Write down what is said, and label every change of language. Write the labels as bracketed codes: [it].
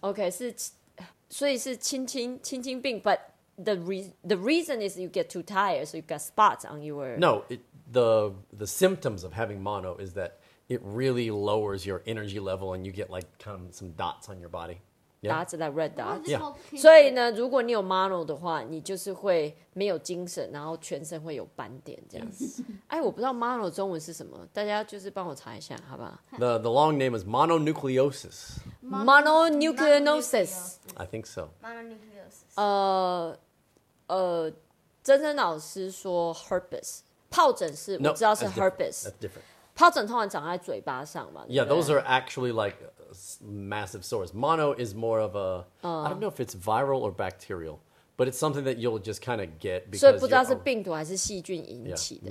[en] Okay, [zh] 是所以是亲亲病 [en] but the reason is you get too tired, so you've got spots on your... No, the symptoms of having mono is that it really lowers your energy level and you get like kind of some dots on your body. Yeah? Dots, that red dot. Yeah. [zh] 所以呢如果你有 mono 的话你就是会没有精神然后全身会有斑点这样子。哎我不知道 mono 中文是什么大家就是帮我查一下好不好 [en] The long name is mononucleosis. Mononucleosis. I think so. Mononucleosis. [zh] 真正老师说 herpes. 疱疹是 [en] no, [zh] 我知道是 herpes. [en] That's different. [zh] 疱疹通常长在嘴巴上嘛 [en] Yeah, [zh] 对不对? [en] those are actually like massive sores. Mono is more of a, I don't know if it's viral or bacterial, but it's something that you'll just kind of get because [zh] 所以不知道是病毒还是细菌引起的。